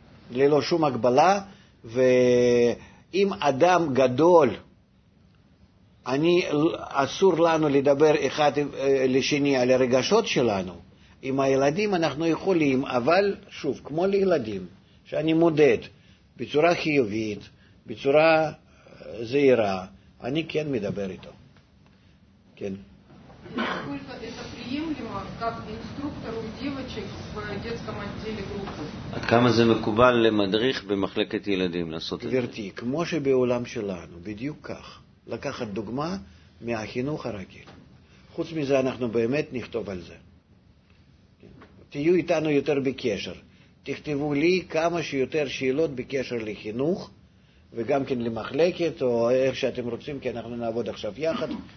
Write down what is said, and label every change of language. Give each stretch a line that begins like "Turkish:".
Hebrew: ללא שום הגבלה. ואם אדם גדול, אסור לנו לדבר אחד לשני על הרגשות שלנו. עם הילדים אנחנו יכולים, אבל שוב, כמו לילדים, שאני מודד בצורה חיובית, בצורה זהירה, אני כן מדבר איתו. כן.
Russian: Насколько это приемлемо как инструктору девочек в детском отделе группы?
Hebrew: כמה זה מקובל למדריך במחלקת ילדים לעשות את זה? גברתי, כמו שבעולם שלנו, בדיוק כך, לקחת דוגמה מהחינוך הרגיל. חוץ מזה אנחנו באמת נכתוב על זה. תהיו איתנו יותר בקשר. תכתבו לי כמה שיותר שאלות בקשר לחינוך, וגם כן למחלקת, או איך שאתם רוצים, כי אנחנו נעבוד עכשיו יחד.